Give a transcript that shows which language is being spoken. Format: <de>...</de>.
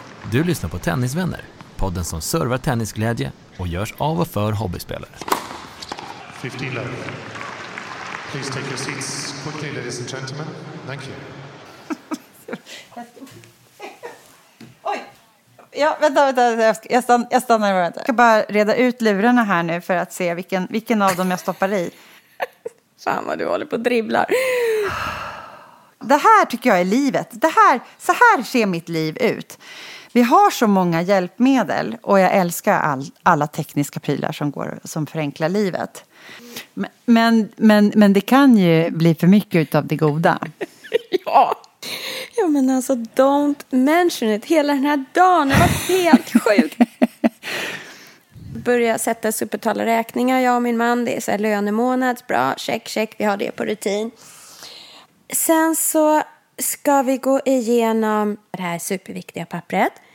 <sv>Du lyssnar på Tennisvänner, podden som servar tennisglädje och görs av och för hobbyspelare.</sv> <en>15 love. Please take your seats quickly, ladies and gentlemen. Thank you.</en> <sv>Oj! Ja, vänta. Jag stannar. Vänta. Jag ska bara reda ut lurarna här nu för att se vilken av dem jag stoppar i. Fan vad du håller på och dribblar. Det här tycker jag är livet. Så här ser mitt liv ut. Vi har så många hjälpmedel och jag älskar alla tekniska prylar som förenklar livet. Men det kan ju bli för mycket av det goda. Ja. Ja, men alltså</sv> <en>don't mention it.</en> <sv>Hela den här dagen var helt sjuk. Börja sätta sig upp och betala räkningar, jag och min man. Det är så här lönemånad, bra, check, vi har det på rutin. Sen så ska vi gå igenom det här superviktiga pappret.</sv>